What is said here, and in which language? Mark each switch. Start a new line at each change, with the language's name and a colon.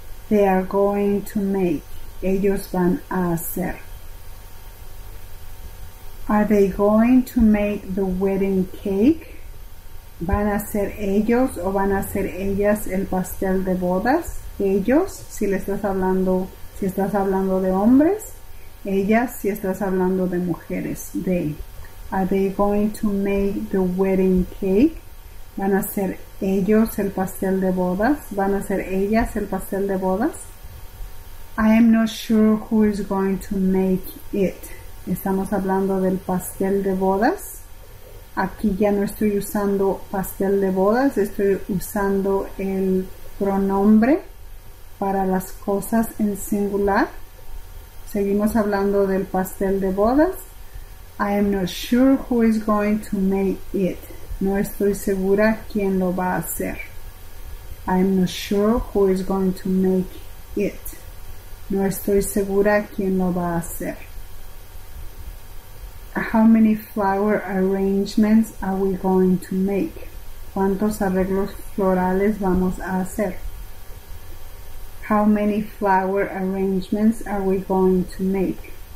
English: They are going to make,
Spanish: ellos van a hacer.
English: Are they going to make the wedding cake?
Spanish: ¿Van a ser ellos o van a ser ellas el pastel de bodas? Ellos, si le estás hablando si estás hablando de hombres, ellas, si estás hablando de mujeres, they.
English: Are they going to make the wedding cake?
Spanish: ¿Van a ser ellos el pastel de bodas? ¿Van a ser ellas el pastel de bodas?
English: I am not sure who is going to make it.
Spanish: Estamos hablando del pastel de bodas. Aquí ya no estoy usando pastel de bodas, estoy usando el pronombre para las cosas en singular. Seguimos hablando del pastel de bodas.
English: I am not sure who is going to make it.
Spanish: No estoy segura quién lo va a hacer.
English: I am not sure who is going to make it.
Spanish: No estoy segura quién lo va a hacer.
English: How many flower arrangements are we going to make?
Spanish: ¿Cuántos arreglos florales vamos a hacer?
English: How many flower arrangements are we going to make?